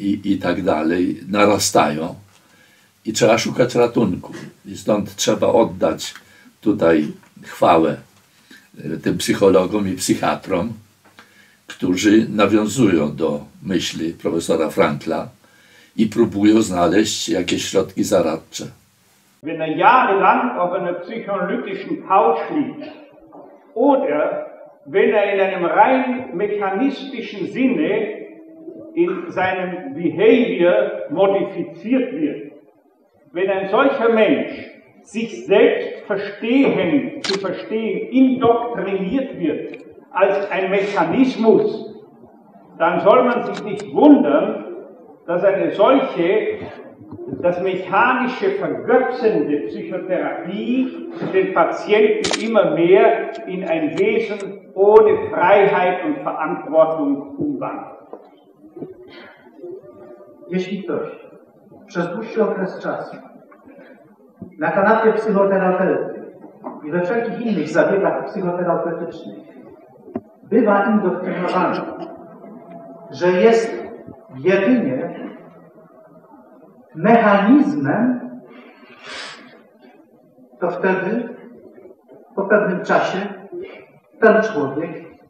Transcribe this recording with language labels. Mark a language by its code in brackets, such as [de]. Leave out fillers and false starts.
[pl] i tak dalej narastają i trzeba szukać ratunku. I stąd trzeba oddać tutaj chwałę tym psychologom i psychiatrom, którzy nawiązują do myśli profesora Frankla i próbują znaleźć jakieś środki zaradcze. [de] Wenn er jahrelang auf einer psychoanalytischen Couch liegt, oder wenn er in einem rein mechanistischen Sinne in seinem Behavior modifiziert wird, wenn ein solcher Mensch sich selbst verstehen, zu verstehen, indoktriniert wird als ein Mechanismus, dann soll man sich nicht wundern, dass eine solche, das mechanische vergötzende Psychotherapie den Patienten immer mehr in ein Wesen ohne Freiheit und Verantwortung umwandelt. [pl] Jeśli ktoś przez dłuższy okres czasu na kanapie psychoterapeuty i we wszelkich innych zabiegach psychoterapeutycznych bywa indoktrynowany, że jest jedynie mechanizmem, to wtedy po pewnym czasie ten człowiek